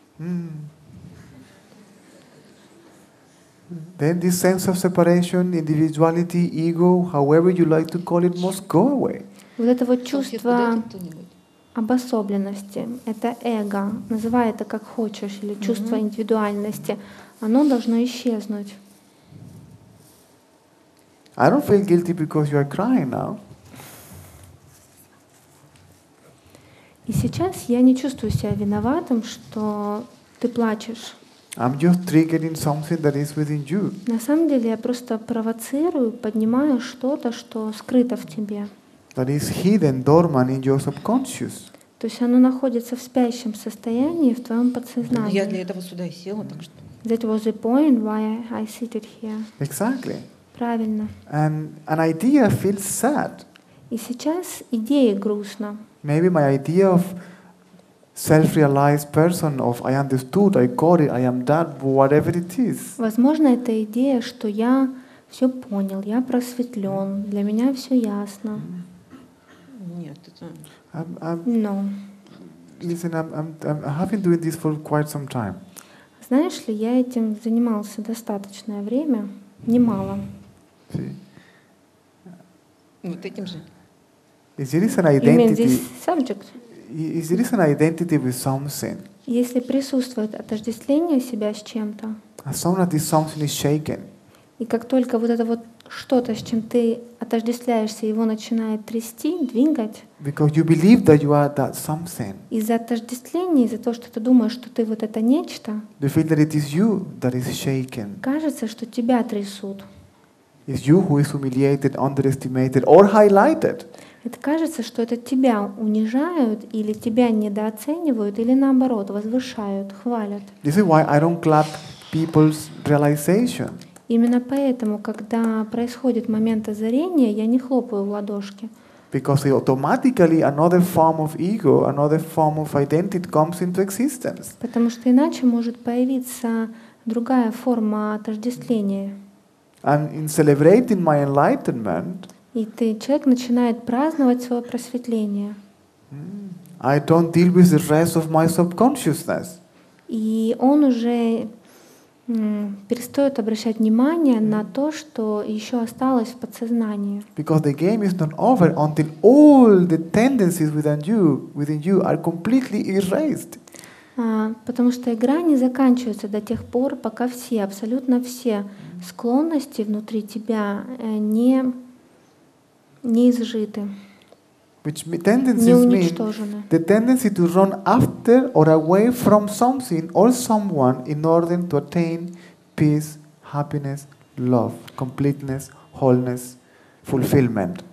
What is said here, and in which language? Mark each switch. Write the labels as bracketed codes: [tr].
[en] Then this sense of separation, individuality, ego, however you like to call it, must go away. [ru] Вот это вот чувство обособленности, это эго, называй это как хочешь, или чувство индивидуальности, оно должно исчезнуть. [en] I don't feel guilty because you are crying now. [ru] И сейчас я не чувствую себя виноватым, что ты плачешь. [en] I'm just triggering something that is within you. [ru] На самом деле я просто провоцирую, поднимаю что-то, что скрыто в тебе. [en] That is hidden, dormant in your subconscious. [ru] То есть оно находится в спящем состоянии в твоем подсознании. Я для этого сюда и села, так что. [en] That was the point why I seated here. Exactly. [ru] Правильно. [en] And an idea feels sad. [ru] И сейчас идея грустна. [en] Maybe my idea of self-realized person of I understood, I got it, I am that, whatever it is. [ru] Возможно, это идея, что я все понял, я просветлен, для меня все ясно. Нет, это. [en] No. Listen, I have been doing this for quite some time. [ru] Знаешь ли, я этим занимался достаточное время, немало. Вот этим же. [en] Is there an identity? You mean this subject? Is there an identity with something? [ru] Если присутствует отождествление себя с чем-то. [en] As soon as this something is shaken. [ru] И как только вот это вот что-то, с чем ты отождествляешься, его начинает трясти, двигать. [en] Because you believe that you are that something. [ru] Из-за отождествления, из-за того, что ты думаешь, что ты вот это нечто. [en] You feel that it is you that is shaken. [ru] Кажется, что тебя трясут. [en] It's you who is humiliated, underestimated, or highlighted. [ru] Это кажется, что это тебя унижают или тебя недооценивают или наоборот возвышают, хвалят. [en] This is why I don't clap people's realization. [ru] Именно поэтому, когда происходит момент озарения, я не хлопаю в ладошки. [en] Because automatically another form of ego, another form of identity comes into existence. [ru] Потому что иначе может появиться другая форма отождествления. [en] And in celebrating my enlightenment. [ru] И ты, человек начинает праздновать свое просветление. [en] I don't deal with the rest of my subconsciousness. [ru] И он уже перестает обращать внимание на то, что еще осталось в подсознании. [en] Because the game is not over until all the tendencies within you are completely erased. [ru] Потому что игра не заканчивается до тех пор, пока все, абсолютно все склонности внутри тебя не изжиты. [en] Which tendencies mean the tendency to run after or away from something or someone in order to attain peace, happiness, love, completeness, wholeness, fulfillment.